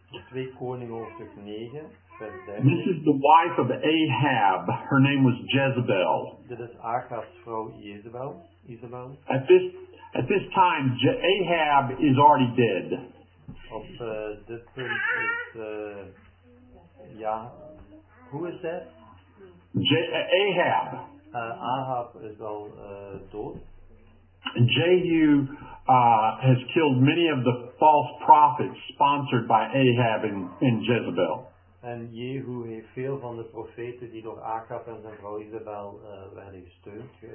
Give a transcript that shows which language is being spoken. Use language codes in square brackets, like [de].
[nl] 2 Koningen hoofdstuk 9, vers 30. [en] This is the wife of Ahab. Her name was Jezebel. [nl] Dit is Ahab's vrouw Jezebel. Isabel. [en] At this time, Ahab is already dead. [nl] Op dit punt is ja. [en] Who is that? Ahab. [nl] Ahab is al dood. [en] Jehu has killed many of the false prophets sponsored by Ahab and Jezebel. [nl] En Jehu heeft veel van de profeten die door Ahab en zijn vrouw Isabel werden gesteund.